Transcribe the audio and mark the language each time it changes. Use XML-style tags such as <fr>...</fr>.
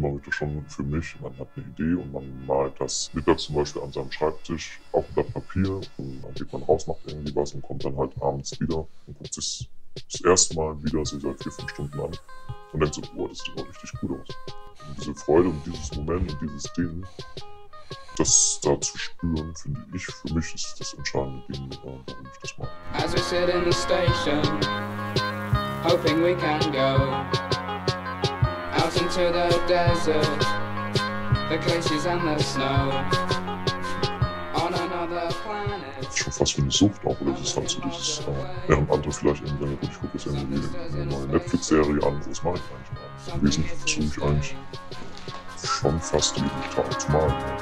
<de>Schon für mich, man hat eine Idee und man malt das Bilder zum Beispiel an seinem Schreibtisch auf dem Blatt Papier und dann geht man raus, macht irgendwie was und kommt dann halt abends wieder und guckt sich das erste Mal wieder so seit 4-5 Stunden an und denkt so, boah, das sieht aber richtig gut aus. Und diese Freude und dieses Moment und dieses Ding, das da zu spüren, finde ich, für mich ist das entscheidende Ding, warum ich das mache.</de> <en>As we sit in the station, hoping we can go out into the desert, the glaciers and the snow, on another planet.</en> <de>Schon fast wie eine Sucht auch, oder das ist halt so dieses, während andere vielleicht irgendwie, ich gucke jetzt irgendwie eine neue Netflix-Serie an, was mache ich eigentlich mal? Im Wesentlichen versuche ich eigentlich schon fast jeden Tag zu malen.</de>